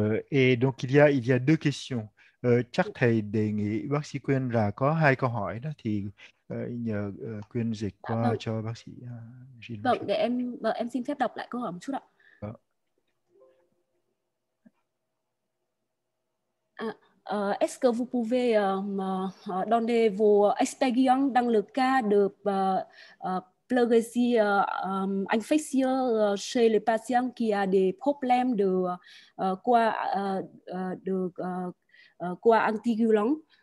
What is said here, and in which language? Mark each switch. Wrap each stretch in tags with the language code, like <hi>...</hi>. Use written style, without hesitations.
<fr>Et donc il y a deux questions.</fr> <vi>Chắc thầy đề nghị bác sĩ Quyên là có hai câu hỏi đó thì nhờ Quyên dịch qua cho bác sĩ. Vâng, để em xin phép đọc lại câu hỏi một chút ạ.</vi> <fr>Est-ce que vous pouvez donner vos expériences dans le cas de pleurésie infectieuse chez les patients qui a des problèmes de coagulants,</fr>